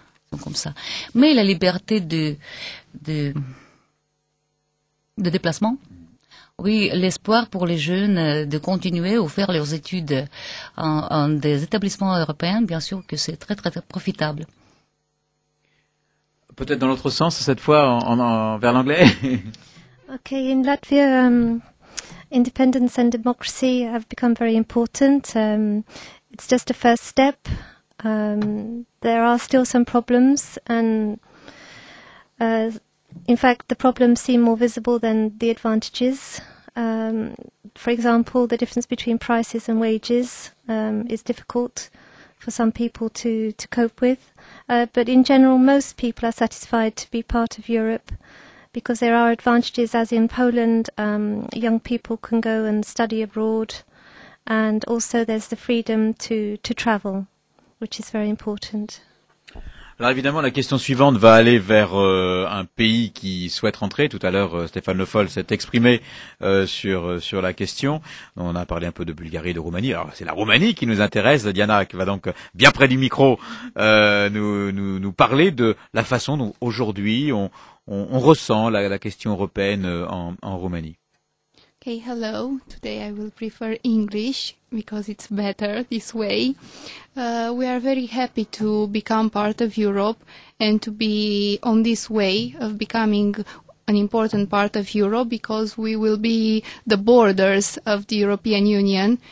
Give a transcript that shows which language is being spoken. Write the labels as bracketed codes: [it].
[fr] Donc comme ça. Mais la liberté de déplacement, Oui, l'espoir pour les jeunes de continuer ou faire leurs études en des établissements européens, bien sûr que c'est très, très, très profitable. Peut-être dans l'autre sens, cette fois, vers l'anglais. [en] Ok, in Latvia, independence and democracy have become very important. It's just a first step. There are still some problems and... In fact, the problems seem more visible than the advantages. For example, the difference between prices and wages is difficult for some people to cope with. But in general, most people are satisfied to be part of Europe because there are advantages, as in Poland, young people can go and study abroad. And also there's the freedom to travel, which is very important. [fr] Alors évidemment, la question suivante va aller vers un pays qui souhaite rentrer. Tout à l'heure, Stéphane Le Foll s'est exprimé sur la question. On a parlé un peu de Bulgarie et de Roumanie. Alors, c'est la Roumanie qui nous intéresse. Diana, qui va donc bien près du micro, nous parler de la façon dont aujourd'hui on ressent la question européenne en Roumanie. [en] Hey, hello. Today I will prefer English because it's better this way. We are very happy to become part of Europe and to be on this way of becoming an important part of Europe because we will be the borders of the European Union.